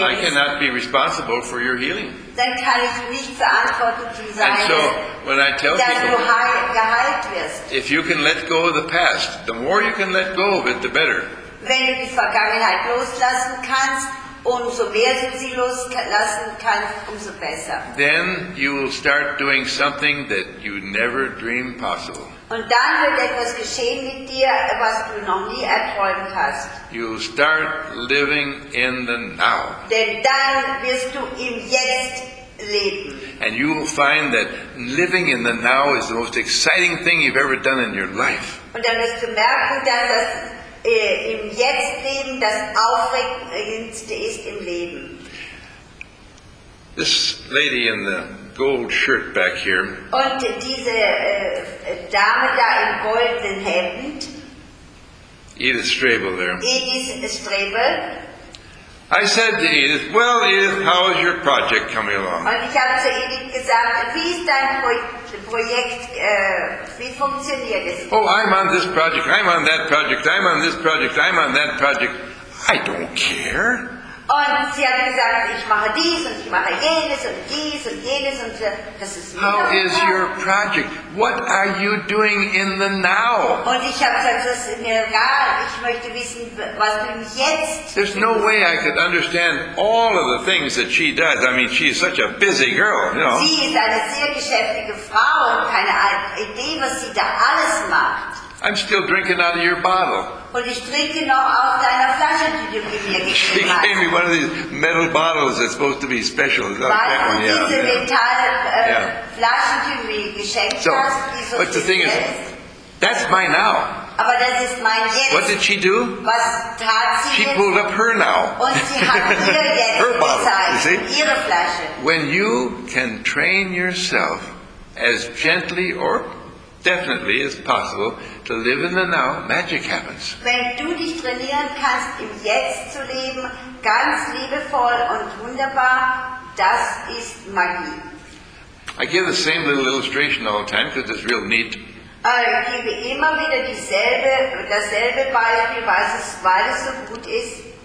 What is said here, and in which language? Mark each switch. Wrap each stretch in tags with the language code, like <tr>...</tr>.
<en>I cannot be responsible for your healing.</en> <de>Dann kann ich nicht verantwortlich sein,</de> <en>and so, when I tell</en> <de>dass</de> <en>people,</en> <de>du geheilt wirst.</de> <en>If you can let go of the past, the more you can let go of it, the better.</en> <de>Wenn du die Vergangenheit loslassen kannst, umso mehr du sie loslassen kannst, umso besser.</de> <en>Then you will start doing something that you never dreamed possible.</en> <de>Und dann wird etwas geschehen mit dir, was du noch nie erträumt hast.</de> <en>You start living in the now.</en> <de>Denn dann wirst du im Jetzt leben.</de> <en>And you will find that living in the now is the most exciting thing you've ever done in your life.</en> <de>Und dann wirst du merken, dass das im Jetzt leben das Aufregendste ist im Leben.</de> <en>This lady in the gold shirt back here.</en> <de>Und diese Dame da im goldenen Hemd.</de> <en>Edith Strabel there. Edith Strabel. I said to Edith, well, Edith, how is your project coming along?</en> <de>Und ich habe zu Edith gesagt, wie ist dein Projekt, wie funktioniert es?</de> <en>Oh, I'm on this project, I'm on that project, I'm on this project, I'm on that project. I don't care.</en> <de>Und sie hat gesagt, ich mache dies und ich mache jenes und dies und jenes und das ist mir.</de> <en>How is your project? What are you doing in the now?</en> <de>Und ich habe gesagt, das ist mir egal. Ich möchte wissen, was du jetzt.</de> <en>There's no way I could understand all of the things that she does. I mean, she's such a busy girl, you know.</en> <de>Sie ist eine sehr geschäftige Frau und keine Idee, was sie da alles macht.</de> <en>I'm still drinking out of your bottle.</en> <de>Und ich trinke noch aus deiner Flasche, die du mir gegeben hast.</de> <en>She gave me one of these metal bottles that's supposed to be special.</en> <de>Was diese metal Flaschen, die du mir geschenkt hast, die so</de> <en>special. But the thing is, that's my now.</en> <de>Aber das ist mein jetzt.</de> <en>What did she do?</en> <de>Was tat sie?</de> <en>She pulled up her now.</en> <de>Und sie hat ihr jetzt gezeigt, ihre Flasche.</de> <en>When you can train yourself as gently or definitely it's possible to live in the now, magic happens.</en> <de>Wenn du dich trainieren kannst, im Jetzt zu leben, ganz liebevoll und wunderbar, das ist Magie.</de> <en>I give the same little illustration all the time because it's real neat.</en> <de>Ich gebe immer wieder dasselbe Beispiel, weil es so gut ist.</de>